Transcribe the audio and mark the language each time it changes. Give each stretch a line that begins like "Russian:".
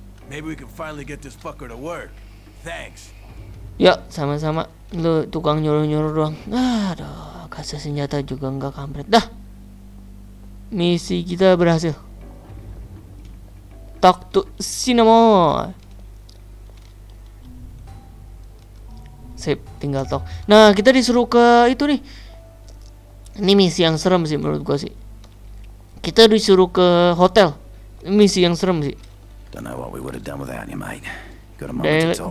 English: Maybe we can finally get this fucker to work. Thanks.
Indonesian: Ya, sama-sama. Lu tukang nyuruh-nyuruh doang. Aduh, kasih senjata juga enggak kampret. Dah. Misi kita berhasil.
English: Talk to Cinnamon.
Indonesian: Sip, tinggal talk. Nah, kita disuruh ke itu nih. Ini misi yang serem sih menurut gua sih. Kita disuruh ke hotel. Misi yang serem sih.
English: Don't know what we would have done without you, mate. Got a moment to talk.